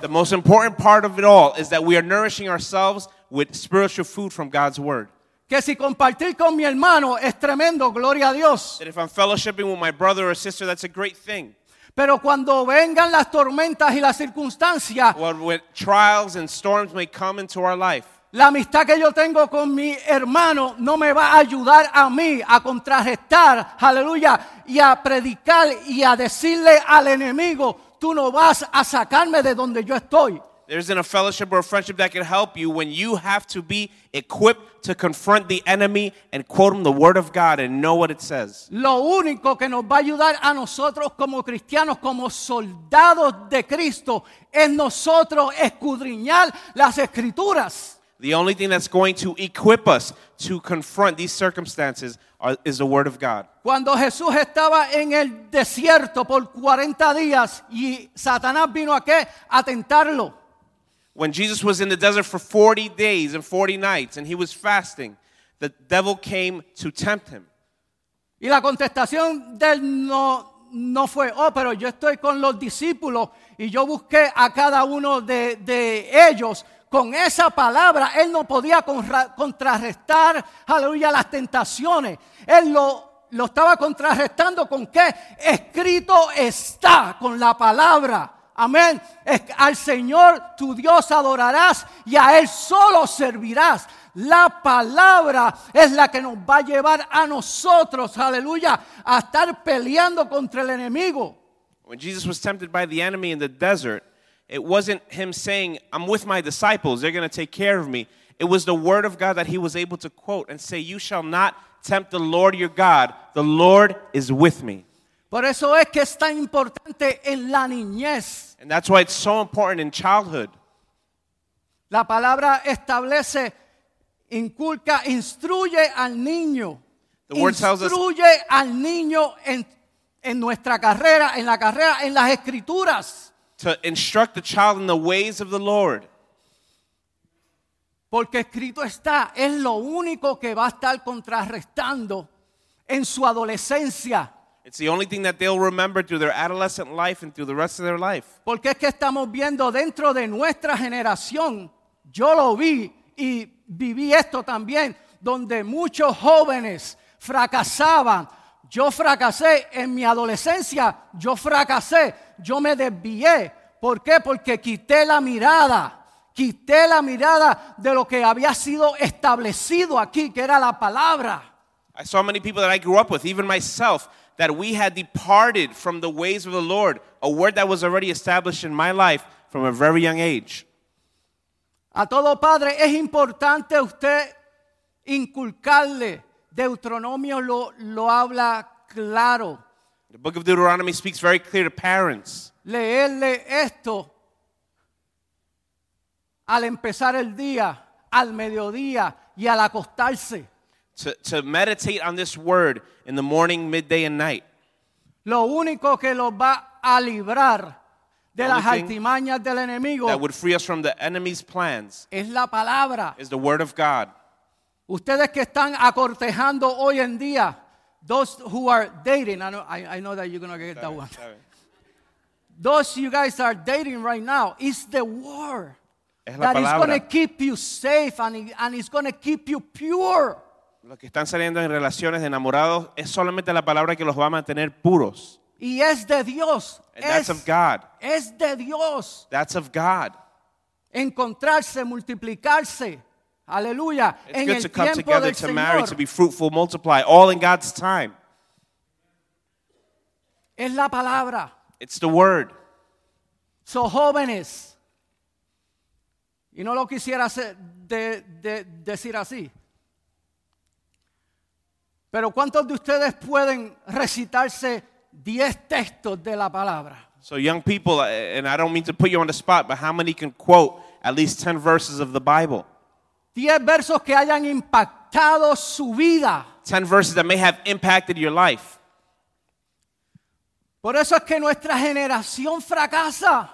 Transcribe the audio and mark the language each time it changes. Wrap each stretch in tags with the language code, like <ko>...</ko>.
<en>The most important part of it all is that we are nourishing ourselves with spiritual food from God's word.</en> <es>Que si compartir con mi hermano es tremendo, gloria a Dios.</es> <en>That if I'm fellowshipping with my brother or sister, that's a great thing.</en> <es>Pero cuando vengan las tormentas y las circunstancias,</es> <en>well, when trials and storms may come into our life,</en> <es>la amistad que yo tengo con mi hermano no me va a ayudar a mí a contrarrestar, aleluya, y a predicar y a decirle al enemigo, tú no vas a sacarme de donde yo estoy.</es> <en>There isn't a fellowship or a friendship that can help you when you have to be equipped to confront the enemy and quote him the word of God and know what it says.</en> <es>Lo único que nos va a ayudar a nosotros como cristianos, como soldados de Cristo, es nosotros escudriñar las escrituras.</es> <en>The only thing that's going to equip us to confront these circumstances is the word of God.</en> <es>Cuando Jesús estaba en el desierto por 40 días y Satanás vino a qué? A tentarlo.</es> <en>When Jesus was in the desert for 40 days and 40 nights and he was fasting, the devil came to tempt him.</en> <es>Y la contestación del no fue, oh, pero yo estoy con los discípulos y yo busqué a cada uno de ellos. Con esa palabra, él no podía contrarrestar, aleluya, las tentaciones. Él lo estaba contrarrestando con qué? Escrito está, con la palabra. Amén. Al Señor tu Dios adorarás y a Él solo servirás. La palabra es la que nos va a llevar a nosotros, aleluya, a estar peleando contra el enemigo.</es> <en>When Jesus was tempted by the enemy in the desert, it wasn't him saying, I'm with my disciples, they're going to take care of me. It was the word of God that he was able to quote and say, you shall not tempt the Lord your God. The Lord is with me.</en> <es>Por eso es que es tan importante en la niñez.</es> <en>And that's why it's so important in childhood.</en> <es>La palabra establece, inculca, instruye al niño.</es> <en>The word tells us.</en> <es>Instruye al niño en nuestra carrera, en las escrituras.</es> <en>To instruct the child in the ways of the Lord.</en> <es>Porque escrito está, es lo único que va a estar contrarrestando en su adolescencia.</es> <en>It's the only thing that they'll remember through their adolescent life and through the rest of their life.</en> <es>Porque es que estamos viendo dentro de nuestra generación, yo lo vi y viví esto también, donde muchos jóvenes fracasaban. Yo fracasé en mi adolescencia, yo fracasé, yo me desvié. ¿Por qué? Porque quité la mirada de lo que había sido establecido aquí, que era la palabra.</es> <en>I saw many people that I grew up with, even myself, that we had departed from the ways of the Lord, a word that was already established in my life from a very young age.</en> <es>A todo padre es importante usted inculcarle. Deuteronomio lo habla claro.</es> <en>The book of Deuteronomy speaks very clear to parents.</en> <es>Leerle esto al empezar el día, al mediodía y al acostarse.</es> <en>To meditate on this word in the morning, midday, and night.</en> <es>Lo único que lo va a librar de las artimañas del enemigo.</es> <en>That would free us from the enemy's plans.</en> <es>Es la palabra.</es> <en>Is the word of God.</en> <es>Ustedes que están acortejando hoy en día,</es> <en>those who are dating, I know that you're going to get sorry, that one. Sorry. Those you guys are dating right now, it's the word that palabra. Is going to keep you safe and it's going to keep you pure.</en> <es>Los que están saliendo en relaciones de enamorados, es solamente la palabra que los va a mantener puros. Y es de Dios.</es> <en>And that's of God.</en> <es>Es de Dios.</es> <en>That's of God.</en> <es>Encontrarse, multiplicarse. Hallelujah.</es> <en>It's good to come together to marry, to be fruitful, multiply, all in God's time.</en> <es>Es la palabra.</es> <en>It's the word.</en> <es>So jóvenes, y no lo quisiera decir así, pero ¿cuántos de ustedes pueden recitarse 10 textos de la palabra?</es> <en>So young people, and I don't mean to put you on the spot, but how many can quote at least 10 verses of the Bible?</en> <es>10 versos que hayan impactado su vida.</es> <en>10 verses that may have impacted your life.</en> <es>Por eso es que nuestra generación fracasa.</es>